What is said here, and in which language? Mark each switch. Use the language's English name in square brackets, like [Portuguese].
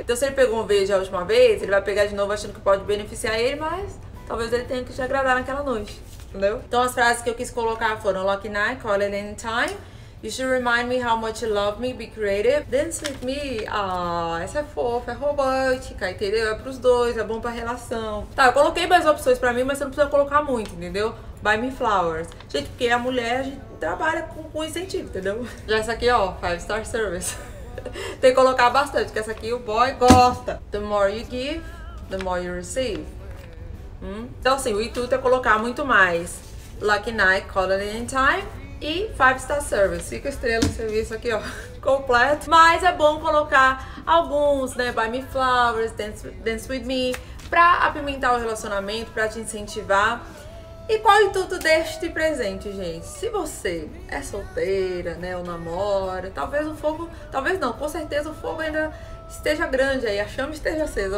[Portuguese] Então se ele pegou um verde a última vez, ele vai pegar de novo achando que pode beneficiar ele, mas talvez ele tenha que te agradar naquela noite, entendeu? Então as frases que eu quis colocar foram [English] Lucky Night, Call It Anytime, You should remind me how much you love me, be creative, dance with me. [Portuguese] Ah, essa é fofa, é romântica, entendeu? É pros dois, é bom pra relação. Tá, eu coloquei mais opções pra mim, mas você não precisa colocar muito, entendeu? [English] Buy me flowers. [Portuguese] Gente, porque a mulher, a gente trabalha com incentivo, entendeu? Já essa aqui, ó, 5-star service. Tem que colocar bastante, porque essa aqui o boy gosta. [English] The more you give, the more you receive. [Portuguese] Então assim, o intuito é colocar muito mais. [English] Lucky night, call it anytime. [Portuguese] E 5-star service, 5 estrelas de serviço aqui, ó, completo. Mas é bom colocar alguns, né, [English] buy me flowers, dance with me, [Portuguese] pra apimentar o relacionamento, pra te incentivar. E qual é o intuito deste presente, gente? Se você é solteira, né, ou namora, talvez o fogo, talvez não, com certeza o fogo ainda esteja grande aí, a chama esteja acesa.